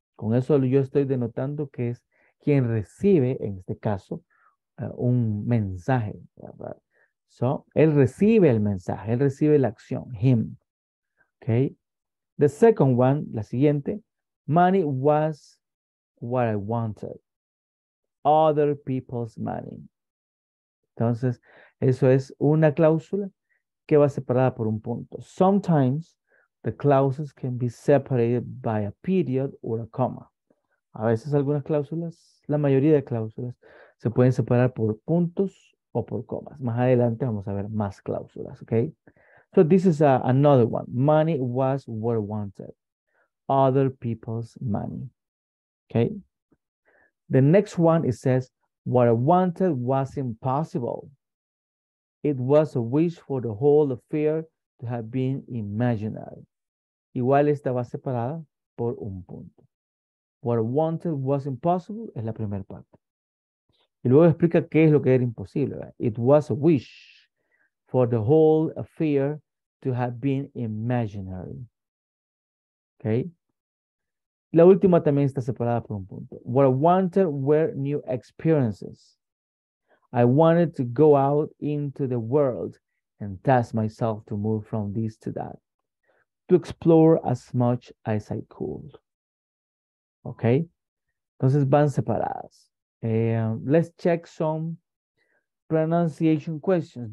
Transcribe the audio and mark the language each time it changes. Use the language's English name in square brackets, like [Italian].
[Spanish] Con eso yo estoy denotando que es quien recibe, en este caso, un mensaje. So, él recibe el mensaje, él recibe la acción, [English] him. Okay. The second one, [Spanish] la siguiente, [English] money was what I wanted. Other people's money. [Spanish] Entonces, eso es una cláusula que va separada por un punto. [English] Sometimes the clauses can be separated by a period or a comma. [Spanish] A veces algunas cláusulas, la mayoría de cláusulas, se pueden separar por puntos o por comas. Más adelante vamos a ver más cláusulas, ¿ok? [English] So this is another one. Money was what wanted. Other people's money. ¿Ok? The next one, it says, what I wanted was impossible. It was a wish for the whole affair to have been imaginary. [Spanish] Igual estaba separada por un punto. [English] What I wanted was impossible [Spanish] es la primera parte. Y luego explica qué es lo que era imposible. [English] Right? It was a wish for the whole affair to have been imaginary. Okay. [Spanish] La última también está separada por un punto. [English] What I wanted were new experiences. I wanted to go out into the world and test myself to move from this to that. To explore as much as I could. Okay? [Spanish] Entonces van separadas. [English] Let's check some pronunciation questions.